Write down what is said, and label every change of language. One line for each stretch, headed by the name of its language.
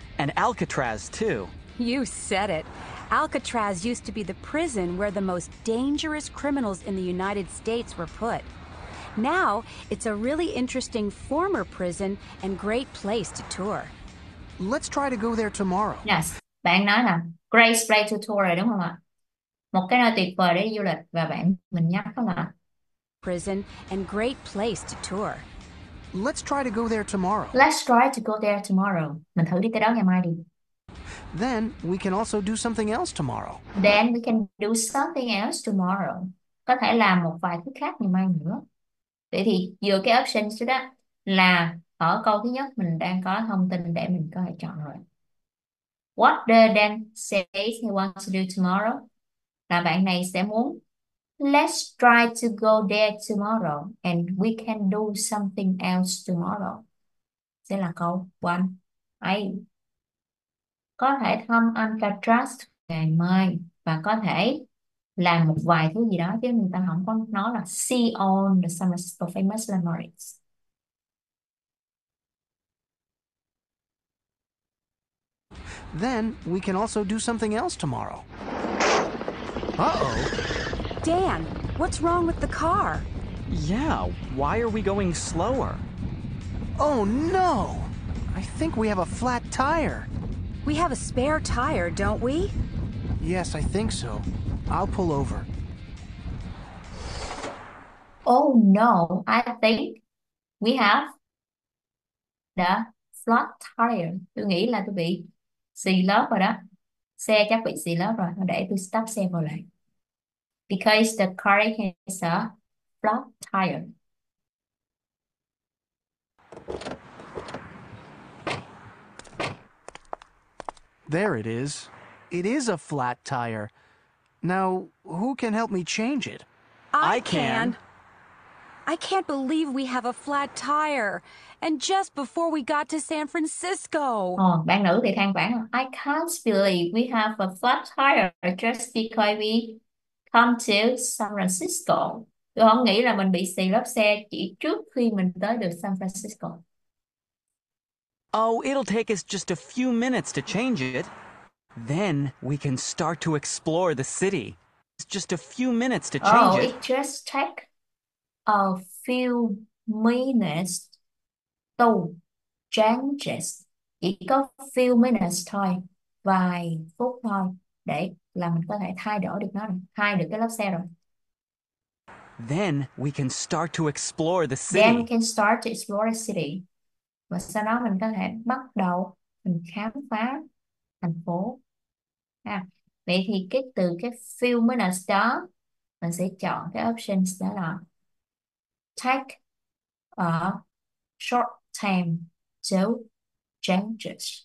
English: And Alcatraz, too. You said it. Alcatraz used to be the prison where the most dangerous criminals in the United States were put. Now, it's a really interesting former prison and great place to tour. Let's try to go there tomorrow.
Vietnamese: Yes, bạn nói là great place to tour rồi đúng không ạ? Một cái nơi tuyệt vời để du lịch và bạn mình nhắc không ạ?
English: Prison and great place to tour. Let's try to go there tomorrow. Let's try to go there tomorrow.
Vietnamese: Mình thử đi tới đó ngày mai đi.
English: Then we can also do something else tomorrow. Then we can do something else tomorrow.
Vietnamese: Có thể làm một vài thứ khác ngày mai nữa. Vậy thì dựa cái option trước đó là ở câu thứ nhất mình đang có thông tin để mình có thể chọn rồi.
English: What does Dan say he wants to do tomorrow? Là bạn này sẽ muốn let's try to go there tomorrow and we can do something else tomorrow. Sẽ là câu 1.
Vietnamese: Ai có thể thăm Alcatraz ngày mai và có thể làm một vài thứ gì đó chứ người ta không có nói là see on the San Francisco famous landmarks.
English: Then we can also do something else tomorrow. Uh-oh. Dan, what's wrong with the car? Yeah, why are we going slower? Oh no. I think we have a flat tire. We have a spare tire, don't we? Yes, I think so. I'll pull over. Oh no, I think we have the flat tire.
Vietnamese: Tôi nghĩ là tôi bị xì lốp rồi đó. Xe chắc bị xì lốp rồi. Để tôi stop xe vào lại. Because the car has a flat tire.
English: There it is. It is a flat tire. Now, who can help me change it? I can. I can't believe we have a flat tire. And just before we got to San Francisco. Bạn nữ thì than vãn. I can't believe we have a flat tire just because we come to San Francisco.
Vietnamese: Tôi không nghĩ là mình bị xì lốp xe chỉ trước khi mình tới được San Francisco.
English: Oh, it'll take us just a few minutes to change it. Then we can start to explore the city. It's just a few minutes to change it. Oh, it just take a few minutes to change it.
Vietnamese: Chỉ có few minutes thôi, vài phút thôi, để là mình có thể thay đổi được nó, thay được cái lớp xe rồi.
English: Then we can start to explore the city. Then we can start to explore the city.
Vietnamese: Và sau đó mình có thể bắt đầu mình khám phá thành phố. Vậy thì cái từ cái few minutes đó mình sẽ chọn cái options đó là take a short time to change it.